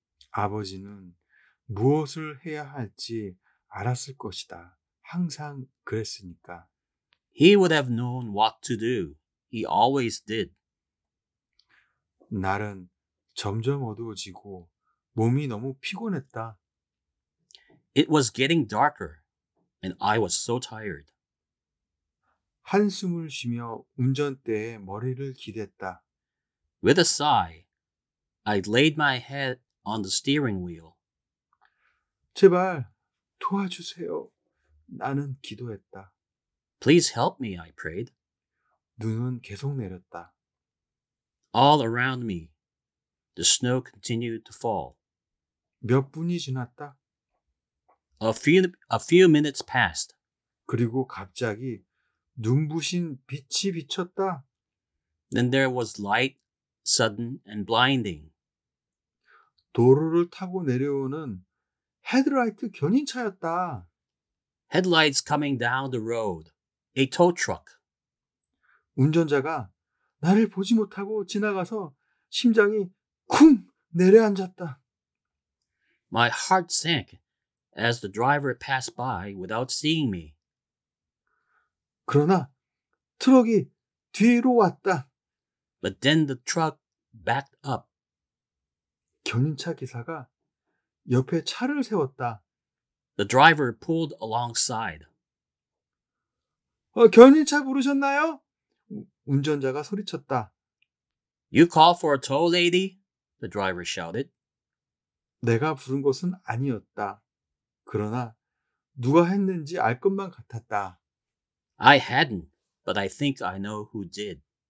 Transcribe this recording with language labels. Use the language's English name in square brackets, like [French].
[Korean] 아버지는 무엇을 해야 할지 알았을 것이다. 항상 그랬으니까. [English] He would have known what to do. He always did. [Korean] 날은 점점 어두워지고 몸이 너무 피곤했다. [English] It was getting darker and I was so tired. [Korean] 한숨을 쉬며 운전대에 머리를 기댔다. [English] With a sigh, I laid my head on the steering wheel. [Korean] 제발 도와주세요. 나는 기도했다. [English] Please help me, I prayed. [Korean] 눈은 계속 내렸다. [English] All around me, the snow continued to fall. [Korean] 몇 분이 지났다? [English] A few minutes passed. [Korean] 그리고 갑자기 눈부신 빛이 비쳤다. [English] Then there was light, sudden and blinding. [Korean] 도로를 타고 내려오는 헤드라이트 견인차였다. [English] Headlights coming down the road, a tow truck. [Korean] 운전자가 나를 보지 못하고 지나가서 심장이 쿵 내려앉았다. [English] My heart sank as the driver passed by without seeing me. [Korean] 그러나 트럭이 뒤로 왔다. [English] But then the truck backed up. [Korean] 견인차 기사가 옆에 차를 세웠다. [English] The driver pulled alongside. [Korean] 견인차 부르셨나요? 운전자가 소리쳤다. [English] You call for a tow lady? The driver shouted. [Korean] 내가 부른 것은 아니었다. 그러나 누가 했는지 알 것만 같았다. [English] I hadn't, but I think I know who did.